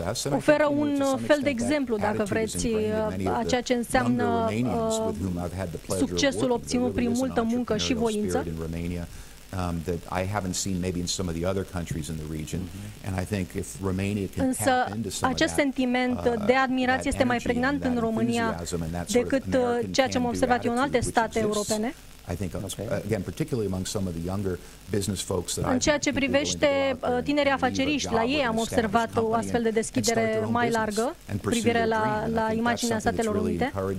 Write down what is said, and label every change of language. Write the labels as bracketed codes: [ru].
[ro] Oferă un fel de exemplu, dacă vreți, a ceea ce înseamnă succesul obținut prin multă muncă și voință. [en] That I haven't seen maybe in some of the other countries in the region, and I think if Romania can [ro] însă [en] tap into some [ro] acest [en] of that, [ro] sentiment de admirație este mai pregnant în România decât ceea ce am observat eu în alte state europene. [en] I think again, particularly among some of the younger business folks that I've [ro] în ceea ce privește tinerii afaceriști, la ei am observat o astfel de deschidere mai largă privire la imaginea Statelor Unite.